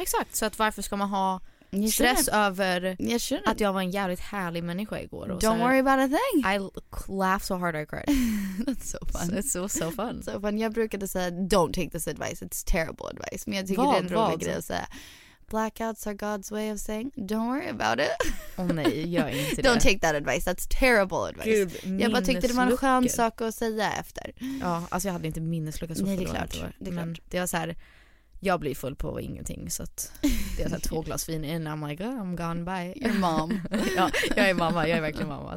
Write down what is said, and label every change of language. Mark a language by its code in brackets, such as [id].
[sv] Exakt, så att varför ska man ha stress över att jag var en jävligt härlig människa igår. [en] Och don't worry about a thing. I laugh so hard I cried. That's so fun. It's so fun. So fun. [sv] Jag brukade säga, [en] don't take this advice. It's terrible advice. [sv] Men jag tycker det är en rolig grej att säga. [en] Blackouts are God's way of saying, don't worry about it. [sv] Oh, nej, jag är inte [en] don't take that advice. That's terrible advice. [sv] Gud, jag bara tyckte det var en skön sak att säga efter. Ja, alltså jag hade inte minnesluckan så förlorat. Nej, det är klart. Men det var så här, jag blir full på ingenting, så att det är så här två glas vin in, [en] I'm like, oh, I'm gone by your mom. [sv] Ja, jag är mamma, jag är verkligen mamma.